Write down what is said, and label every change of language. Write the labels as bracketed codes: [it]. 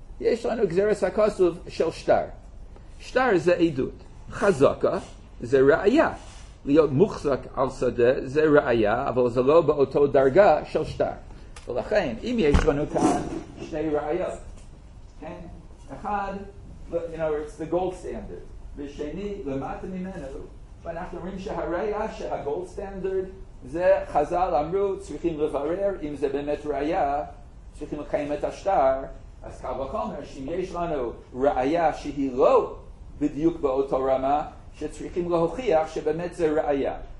[he] יש לנו גזרס הכוסוב של שטר. שטר זה עדות. חזקה זה ראיה. להיות מוחזק על שדה זה ראיה, אבל זה לא באותו דרגה של שטר. ולכן, אם יש לנו כאן שתי ראיות, כן? [en] אחד, you know, it's the gold standard. [he] ושני, למטה ממנו, ואנחנו אומרים שהראיה שהגולד סטנדרד, זה חזל אמרו, צריכים לברר אם זה באמת ראיה, צריכים לקיים את השטר, אז קל וחומר, שאם יש לנו ראיה שהיא לא בדיוק באותו רמה, שצריכים להוכיח שבאמת זה ראיה.